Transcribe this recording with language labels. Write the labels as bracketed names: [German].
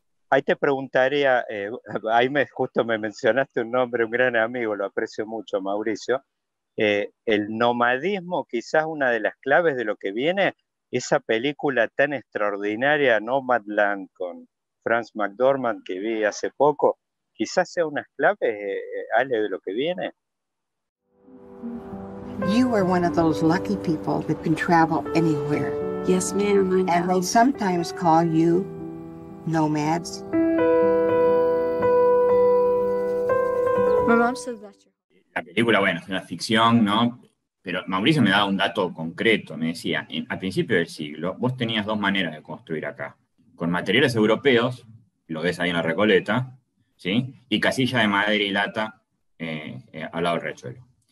[Spanish] ahí te preguntaría, ahí justo me mencionaste un nombre, un gran amigo, lo aprecio mucho, Mauricio. El nomadismo, quizás una de las claves de lo que viene, esa película tan extraordinaria, Nomadland, con Frances McDormand, que vi hace poco, quizás sea unas claves, Ale, de lo que viene. [English] You are one of those lucky people that can travel anywhere. Yes, ma'am, I And they know. sometimes call you nomads. [Spanish] La película, bueno, es una ficción, ¿no? Pero Mauricio me daba un dato concreto, me decía, al principio del siglo, vos tenías dos maneras de construir acá. Con materiales europeos, lo ves ahí en la Recoleta, ¿sí? Y casilla de madera y lata al lado del Riachuelo.